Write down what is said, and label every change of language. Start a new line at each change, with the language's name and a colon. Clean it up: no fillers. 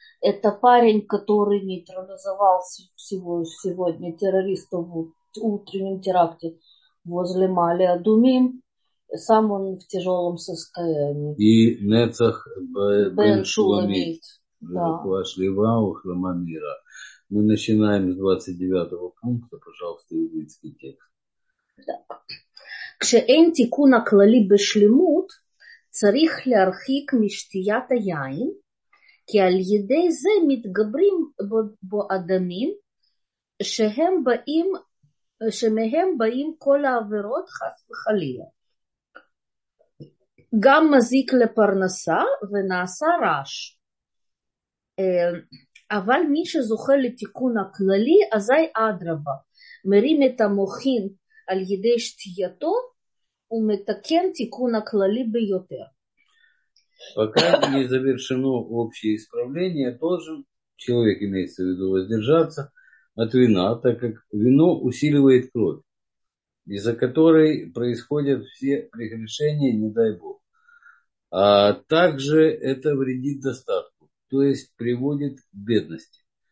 Russian: Это парень, который нейтрализовался всего сегодня террористов в утреннем теракте возле Маали Адумим. Сам он в тяжелом состоянии. И Нецах Бен Бен Шуламит. Шуламит, Да.
Hebrew: Рефуа Шлема,
Russian: Ухлама Мира. Мы начинаем с 29-го пункта. Пожалуйста, еврейский текст.
Hebrew: כשאין תיקון הכללי בשלמות, צריך להרחיק משתיית היין, כי על ידי זה מתגברים בו אדמים שמהם באים כל העבירות חס וחלילה. גם מזיק לפרנסה ונעשה רעש. אבל מי שזוכה לתיקון הכללי, אזי אדרבה, מרים את המוחין על ידי שתייתו, ומתקן תיקון הכללי ביותר.
Russian: Пока не завершено общее исправление, должен человек, имеется в виду, воздержаться от вина, так как вино усиливает кровь, из-за которой происходят все прегрешения, не дай Бог. А также это вредит достатку, то есть приводит к бедности.